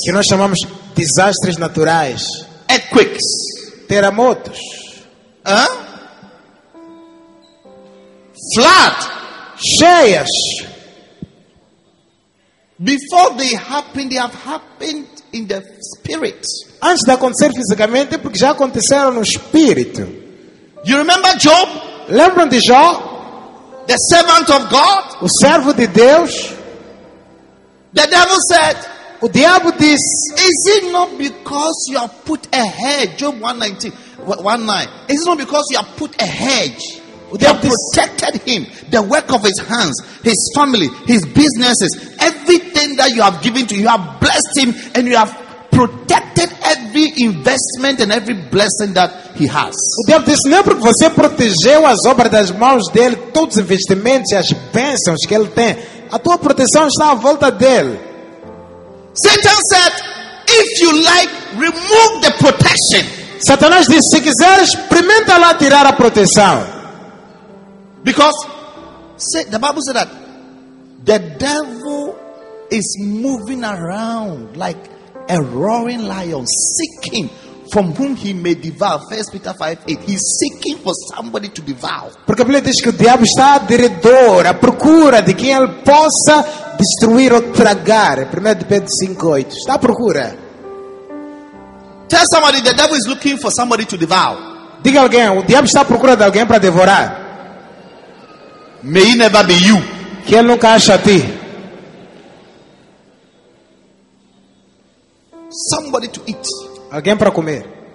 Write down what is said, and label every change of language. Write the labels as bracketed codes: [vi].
[pt] Que nós chamamos desastres naturais. [en] Earthquakes. [pt] Terremotos. Hã? [en] Flood, [pt] cheias. [en] Before they happen, they have happened in the spirit. [pt] Antes de acontecer fisicamente, porque já aconteceram no espírito. [en] You remember Job? [pt] Lembram de Jó? [en] The servant of God. [pt] O servo de Deus. [en] The devil said. [pt] O diabo disse. [en] Is it not because you have put a hedge? Job 1:19. Is it not because you have put a hedge? They have protected him, the work of his hands, his family, his businesses, everything that you have given to him. You have blessed him and you have protected every investment and every blessing that he has. [pt] O diabo disse, não é porque você protegeu as obras das mãos dele, todos os investimentos e as bênçãos que ele tem. A tua proteção está à volta dele. [en] Satan said, if you like, remove the protection. [pt] Satanás disse, se quiser, experimenta lá tirar a proteção. [en] Because the Bible said that the devil is moving around like a roaring lion, seeking from whom he may devour. 1 Peter 5:8. He's seeking for somebody to devour. [pt] Porque a Bíblia diz que o diabo está ao redor, à procura de quem ele possa destruir ou tragar. 1 Pedro 5:8. Está à procura. [en] Tell somebody the devil is looking for somebody to devour. [pt] Diga alguém, o diabo está à procura de alguém para devorar. [en] May he never be you. [pt] Que ele nunca ache a ti. [en] Somebody to eat. [pt] Alguém para comer.